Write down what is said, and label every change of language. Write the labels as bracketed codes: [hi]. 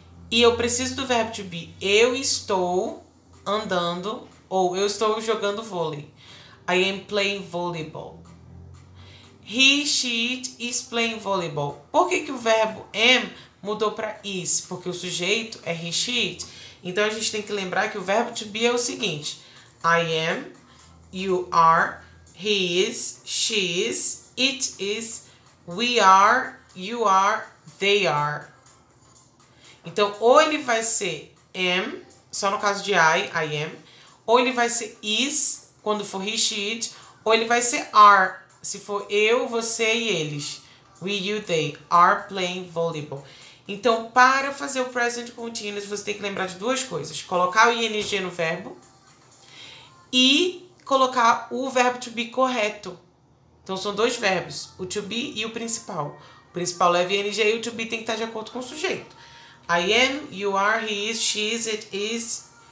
[pt] E eu preciso do verbo to be. Eu estou andando ou eu estou jogando vôlei. [en] I am playing volleyball. He, she, it is playing volleyball. [pt] Por que, que o verbo am mudou para is? Porque o sujeito é he, she, it. Então, a gente tem que lembrar que o verbo to be é o seguinte. [en] I am, you are, he is, she is, we are, you are, they are. [pt] Então, ou ele vai ser am, só no caso de I am. Ou ele vai ser is, quando for he, she, it. Ou ele vai ser are. Se for eu, você e eles. [en] We, you, they are playing volleyball. [pt] Então, para fazer o present continuous, você tem que lembrar de duas coisas. Colocar o ing no verbo. E colocar o verbo to be correto. Então, são dois verbos. O to be e o principal. O principal leva ing e o to be tem que estar de acordo com o sujeito. [en] I am, you are, he is, she is, it is.